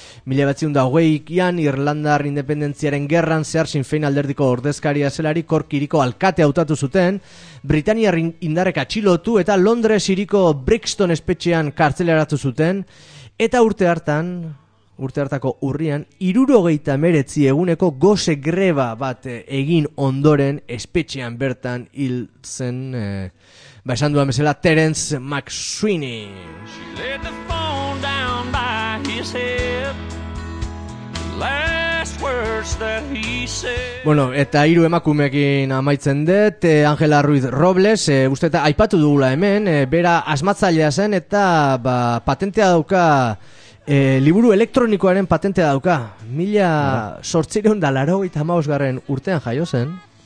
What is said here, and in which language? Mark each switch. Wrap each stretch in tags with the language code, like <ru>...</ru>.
<eu>1920-an Irlandar independentziaren gerran zehar Sinn Féin alderdiko ordezkaria zelari Cork hiriko alkate hautatu zuten, Britaniar indarrek atxilotu eta Londres hiriko Brixton espetxean kartzelaratu zuten, eta urte hartako urrian 1969 eguneko gose greba bat egin ondoren espetxean bertan hil zen, ba, esan duan bezala, Terence McSwiney.</eu> <en>She laid the phone down by his head, last words that he said.</en> <eu>Bueno, eta hiru emakumeekin amaitzen dut, Angela Ruiz Robles, uste eta aipatu dugula hemen, bera asmatzailea zen eta ba, patentea dauka, liburu elektronikoaren patentea dauka. 1885 urtean jaio zen.</eu>